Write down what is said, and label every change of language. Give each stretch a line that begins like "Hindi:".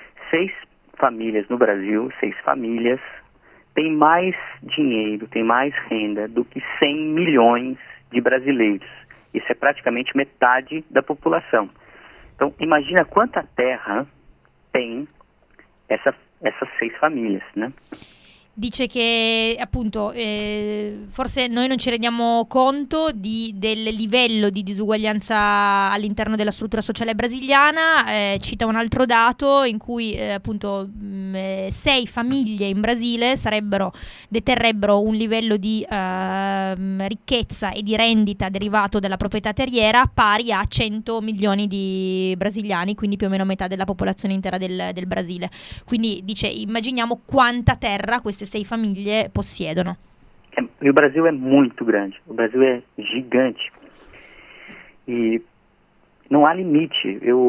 Portuguese: Seis famílias no Brasil, seis famílias, têm mais dinheiro, têm mais renda do que 100 milhões de brasileiros. Isso é praticamente metade da população. Então, imagina quanta terra tem essas seis famílias, né?
Italian: Dice che appunto forse noi non ci rendiamo conto del livello di disuguaglianza all'interno della struttura sociale brasiliana. Cita un altro dato in cui appunto sei famiglie in Brasile deterrebbero un livello di ricchezza e di rendita derivato dalla proprietà terriera pari a 100 milioni di brasiliani, quindi più o meno metà della popolazione intera del Brasile. Quindi dice, immaginiamo quanta terra queste sei famiglie possiedono.
Portuguese: O Brasil é muito grande, o Brasil é gigante e não há limite.